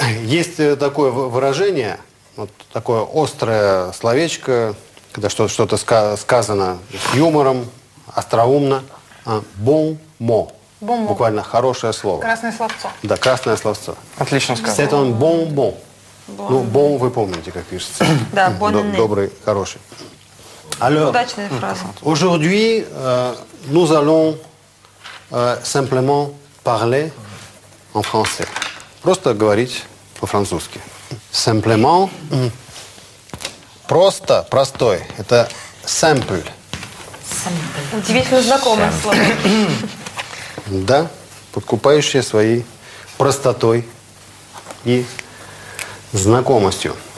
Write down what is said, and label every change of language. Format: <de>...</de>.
<ru>Есть такое выражение, вот такое острое словечко, когда что-то сказано с юмором, остроумно.</ru> <fr>«Bon mot». «Bon mot».</fr> <ru>Буквально «хорошее слово». «Красное словцо». Да, «красное словцо». Отлично сказано.</ru> <fr>«C'est un bon mot».</fr> <ru>Ну, «bon» вы помните, как пишется. Да, «bon». Добрый, хороший.</ru> <fr>Alors,</fr> <ru>удачная фраза.</ru> <fr>Aujourd'hui, nous allons simplement parler en français.</fr> <ru>Просто говорить по-французски.</ru> <fr>Simplement.</fr> <ru>Просто, простой. Это simple. Удивительно знакомое слово. Да, подкупающее своей простотой и знакомостью.</ru>